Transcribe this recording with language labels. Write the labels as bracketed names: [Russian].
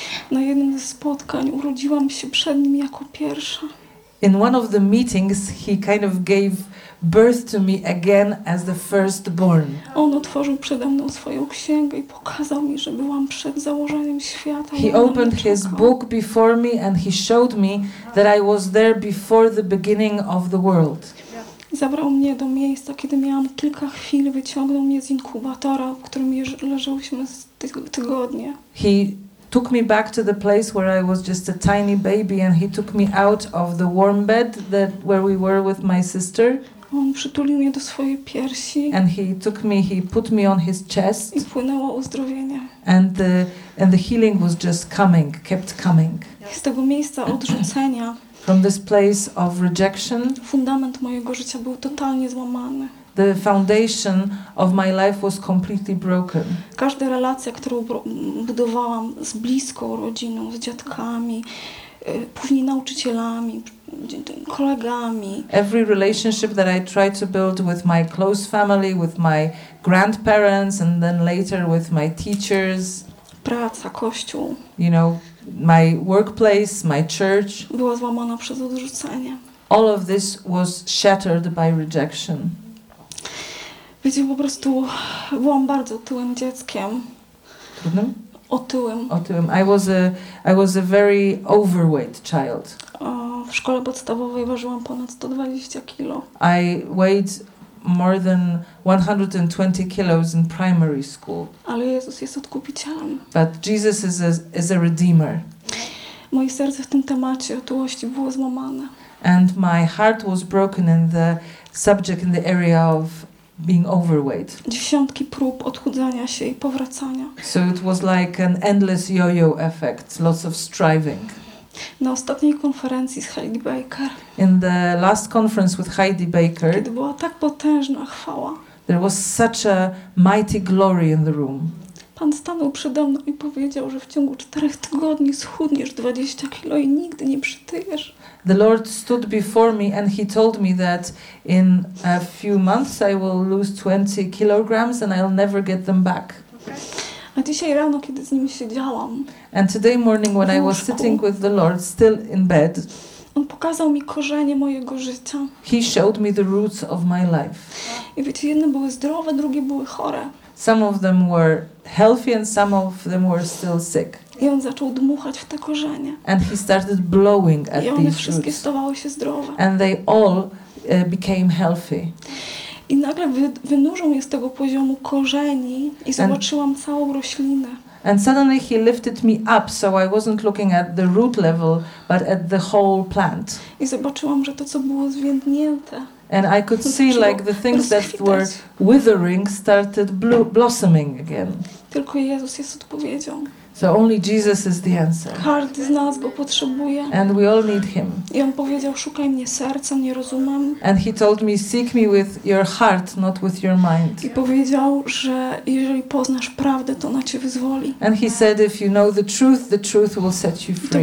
[Polish] Na jednym ze spotkań urodziłam się przed nim jako pierwsza. [English] In one of the meetings, he kind of gave birth to me again as the firstborn. [Polish] On otworzył przede mną swoją księgę i pokazał mi, że byłam przed założeniem świata. [English] He opened his book before me and he showed me that I was there before the beginning of the world. [Polish] Zabrał mnie do miejsca, kiedy miałam kilka chwil, wyciągnął mnie z inkubatora, w którym leżałyśmy tygodnie. [English] He took me back to the place where I was just a tiny baby and he took me out of the warm bed that where we were with my sister. [Polish] On przytulił mnie do swojej piersi. [English] And he took me, he put me on his chest. [Polish] I płynęło uzdrowienie. [English] And the healing was just coming, kept coming. [Polish] Z tego miejsca odrzucenia. [English] From this place of rejection. [Polish] Fundament mojego życia był totalnie złamany. [English] The foundation of my life was completely broken. [Polish] Każda relacja, którą budowałam z bliską rodziną, z dziadkami, później nauczycielami, kolegami. [English] Every relationship that I tried to build with my close family, with my grandparents, and then later with my teachers. [Polish] Praca, kościół. [English] You know, my workplace, my church. [Polish] Była złamana przez odrzucenie. [English] All of this was shattered by rejection. [Polish] Wiecie, po prostu byłam bardzo otyłym dzieckiem. Trudnym? Otyłym. Otyłym. [English] I was a very overweight child. [Polish] W szkole podstawowej ważyłam ponad 120 kilo. [English] I weighed more than 120 kilos in primary school. [Polish] Ale Jezus jest odkupicielem. [English] But Jesus is a redeemer. [Polish] Moje serce w tym temacie otyłości było złamane. [English] And my heart was broken in the subject, in the area of being overweight. [Polish] Dziesiątki prób odchudzania się i powracania. [English] So it was like an endless yo-yo effect, lots of striving. [Polish] Na ostatniej konferencji z Heidi Baker. [English] In the last conference with Heidi Baker. [Polish] Kiedy była tak potężna chwała. [English] There was such a mighty glory in the room. [Polish] Pan stanął przede mną i powiedział, że w ciągu 4 tygodni schudniesz 20 kilo i nigdy nie przytyjesz. [English] The Lord stood before me and he told me that in a few months I will lose 20 kilograms and I'll never get them back. [Polish] Okay. A dzisiaj rano, kiedy z nim siedziałam, [English] and today morning when I was sitting with the Lord still in bed, [Polish] on pokazał mi korzenie mojego życia. [English] He showed me the roots of my life. [Polish] I wiecie, jedne były zdrowe, drugie były chore. [English] Some of them were healthy and some of them were still sick. [Polish] I on zaczął dmuchać w te korzenie. [English] And he started blowing at these roots. [Polish] I one wszystkie stawały się zdrowe. [English] And they all became healthy. [Polish] I nagle wynurzył mnie z tego poziomu korzeni i zobaczyłam całą roślinę. [English] And suddenly he lifted me up, so I wasn't looking at the root level, but at the whole plant. [Polish] I zobaczyłam, że to, co było zwiędnięte. [English] And I could see like the things that were withering started blossoming again. [Polish] Tylko Jezus jest odpowiedzią. [English] So only Jesus is the answer. [Polish] Każdy z nas go potrzebuje. [English] And we all need him. [Polish] I on powiedział, szukaj mnie sercem, nie rozumem. [English] And he told me, seek me with your heart, not with your mind. [Polish] I powiedział, że jeżeli poznasz prawdę, to ona cię wyzwoli. [English] And he said, if you know the truth will set you free.